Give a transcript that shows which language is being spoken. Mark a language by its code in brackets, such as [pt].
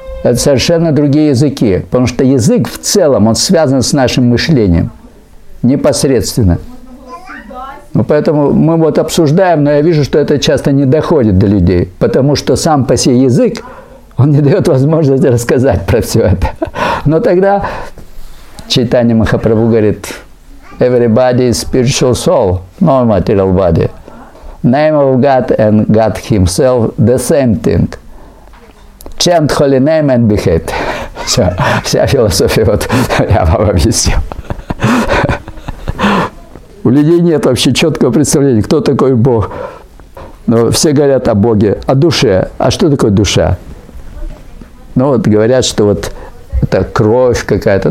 [ru] Это совершенно другие языки, потому что язык в целом, он связан с нашим мышлением непосредственно. Ну, поэтому мы вот обсуждаем, но я вижу, что это часто не доходит до людей, потому что сам по себе язык, он не дает возможности рассказать про все это. Но тогда Чайтанья Махапрабху говорит, [en] everybody is spiritual soul, no material body. Name of God and God himself, the same thing. Chant holy name and be hated. [ru] Все, вся философия, вот я вам объясню. У людей нет вообще четкого представления, кто такой Бог. Но все говорят о Боге, о душе. А что такое душа? Ну вот говорят, что вот это кровь какая-то.